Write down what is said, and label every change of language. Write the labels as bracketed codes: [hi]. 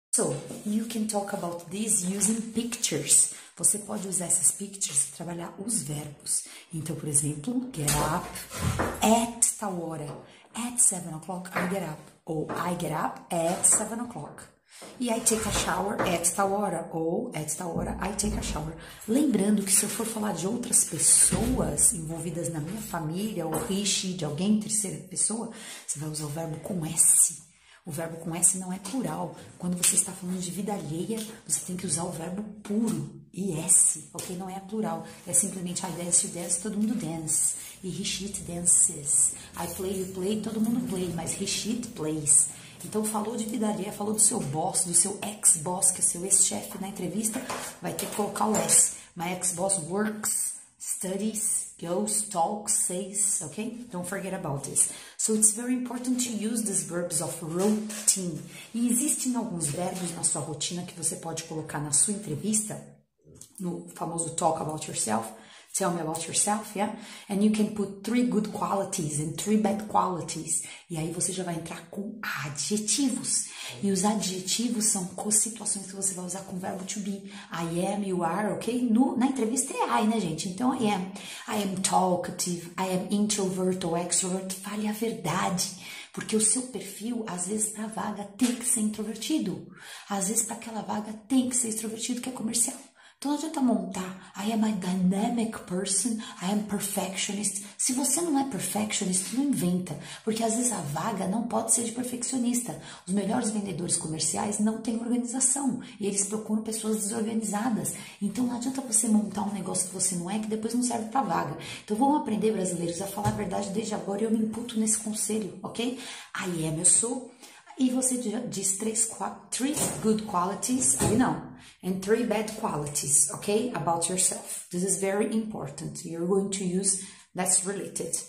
[en] So, you can talk about this using pictures. [pt] Você pode usar essas pictures para trabalhar os verbos. Então, por exemplo, [en] get up at [pt] tal hora. [en] At 7 o'clock, I get up. [pt] Ou [en] I get up at 7 o'clock. E I take a shower at [pt] tal hora. Ou [en] at [pt] tal hora, [en] I take a shower. [pt] Lembrando que se eu for falar de outras pessoas envolvidas na minha família, ou Richie, de alguém, terceira pessoa, você vai usar o verbo com S. O verbo com S não é plural. Quando você está falando de vida alheia, você tem que usar o verbo puro, e S, ok? Não é plural. É simplesmente [en] I dance, you dance, [pt] todo mundo dance. E [en] he, she, it dances. I play, you play, [pt] todo mundo [en] play, [pt] mas [en] he, she, it plays. [pt] Então, falou de vida alheia, falou do seu boss, do seu ex-boss, que é seu ex-chefe na entrevista, vai ter que colocar o S. [en] My ex-boss works, studies, goes, talks, says, ok? Don't forget about this. So, it's very important to use these verbs of routine. [pt] E existem alguns verbos na sua rotina que você pode colocar na sua entrevista, no famoso [en] talk about yourself, tell me about yourself, yeah? And you can put three good qualities and three bad qualities. [pt] E aí você já vai entrar com adjetivos. E os adjetivos são co-situações que você vai usar com o verbo to be. [en] I am, you are, ok? [pt] No, na entrevista é [en] I, [pt] né, gente? Então, [en] I am talkative, I am introvert ou extrovert. [pt] Fale a verdade. Porque o seu perfil, às vezes, na vaga tem que ser introvertido. Às vezes, para aquela vaga tem que ser extrovertido, que é comercial. Então, não adianta montar. [en] I am a dynamic person, I am perfectionist. [pt] Se você não é perfectionist, não inventa. Porque às vezes a vaga não pode ser de perfeccionista. Os melhores vendedores comerciais não têm organização. E eles procuram pessoas desorganizadas. Então, não adianta você montar um negócio que você não é, que depois não serve pra vaga. Então, vamos aprender, brasileiros, a falar a verdade desde agora e eu me imputo nesse conselho, ok? [en] I am, [pt] eu sou. E você diz [en] three good qualities, [pt] aí não, [en] and three bad qualities, ok? About yourself. This is very important. You're going to use that's related.